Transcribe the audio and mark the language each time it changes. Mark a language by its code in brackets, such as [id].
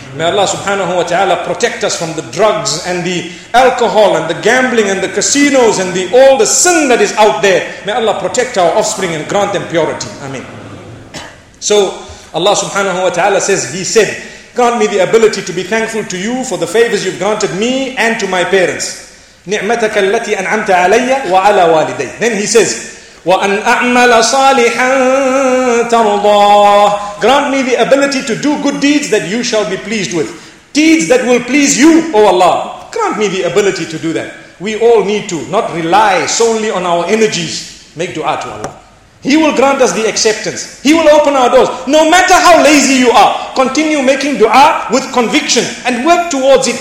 [en] May Allah subhanahu wa ta'ala protect us from the drugs and the alcohol and the gambling and the casinos and all the sin that is out there. May Allah protect our offspring and grant them purity. Ameen. So Allah subhanahu wa ta'ala says, he said, "Grant me the ability to be thankful to you for the favors you've granted me and to my parents." [ar] نِعْمَتَكَ الَّتِي أَنْعَمْتَ عَلَيَّ وَعَلَى وَالِدَيْ. [en] Then he says, [ar] وَأَنْ أَعْمَلَ صَالِحًا تَرْضَاهُ. [en] Grant me the ability to do good deeds that you shall be pleased with. Deeds that will please you, O Allah. Grant me the ability to do that. We all need to not rely solely on our energies. Make dua to Allah. He will grant us the acceptance. He will open our doors. No matter how lazy you are, continue making dua with conviction and work towards it.